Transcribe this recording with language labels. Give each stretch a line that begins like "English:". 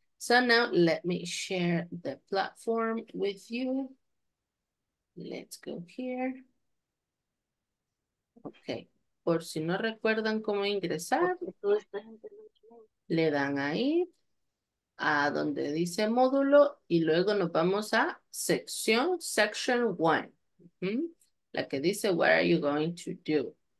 English: So now let me share the platform with you. Let's go here. Okay.
Spanish: Por si no recuerdan cómo ingresar, le dan ahí a donde dice módulo y luego nos vamos a sección,
English: section one. Mm-hmm.
Spanish: La que dice,
English: what are you going to do?